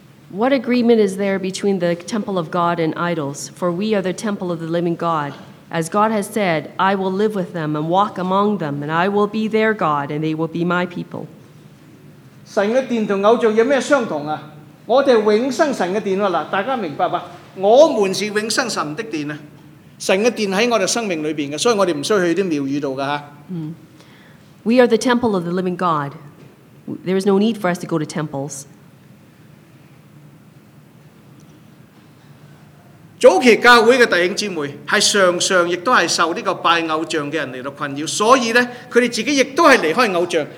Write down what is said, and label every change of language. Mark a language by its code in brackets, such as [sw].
[en] What agreement is there between the temple of God and idols? For we are the temple of the living God. As God has said, I will live with them and walk among them, and I will be their God, and they will be my people. [zh] 神的殿和偶像有什么相同啊？我们是永生神的殿，大家明白吧？我们是永生神的殿，神的殿在我们生命里面，所以我们不需要去庙宇里。 [en] We are the temple of the living God. There is no need for us to go to temples. [zh] 早期教会的弟兄姊妹是常常亦都是受这个拜偶像的人来困扰，所以呢他们自己亦都是离开偶像。